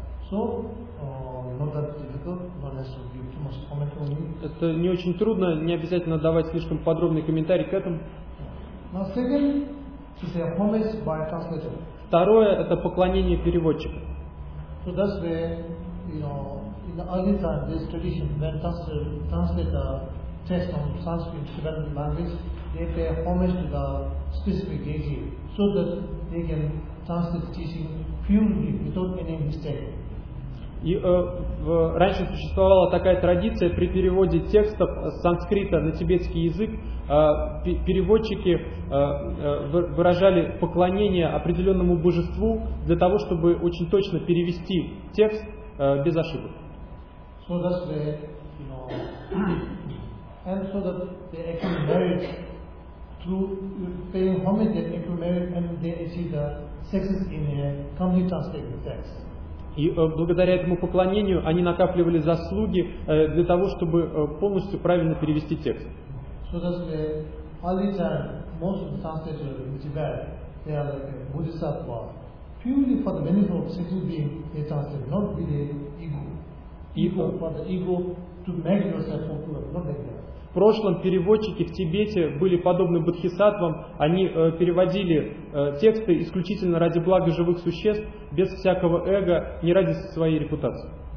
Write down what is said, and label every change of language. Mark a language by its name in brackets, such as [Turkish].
[English] So, not that difficult, not necessary. You too much comment on me. [Russian] Это не очень трудно, не обязательно давать слишком подробный комментарий к этому. [English] Now, second, to say a homage by a translator. [Russian] Второе – это поклонение переводчика. [English] So that's where, in the early time, this tradition, when translator text on Sanskrit to Tibetan language, they pay homage to the specific deity, so that they can translate teaching purely without any mistake. [Russian] И раньше существовала такая традиция при переводе текстов с санскрита на тибетский язык переводчики выражали поклонение определенному божеству для того, чтобы очень точно перевести текст без ошибок. [English] So that's the, and so that they actually merit through paying homage, they actually merit and they achieve the success in a complete translation text. [Russian] И благодаря этому поклонению они накапливали заслуги для того, чтобы полностью правильно перевести текст. [English] So that's the early time, most of the translators in Tibet, they are like a bodhisattva. Purely for the benefit of sentient being, they translate, not with an ego. Ego for the ego to make yourself popular, not like that. [Russian] В прошлом переводчики в Тибете были подобны бодхисаттвам, они переводили тексты исключительно ради блага живых существ, без всякого эго, не ради своей репутации.